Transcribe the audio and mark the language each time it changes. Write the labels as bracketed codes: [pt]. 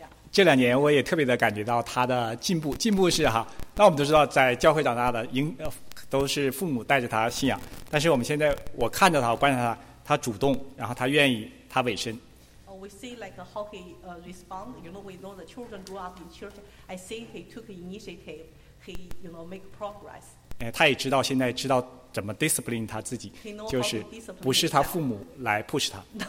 [zh] 这两年我也特别的感觉到他的进步，进步是哈。那我们都知道，在教会长大的，都是父母带着他信仰，但是我们现在我看着他，我观察他，他主动，然后他愿意，他委身。 [en] We see like how he respond. You know, we know the children grew up in church. I see he took initiative. He you know make progress. [zh] 他也知道现在知道。怎么 discipline 他自己，就是不是他父母来 push 他。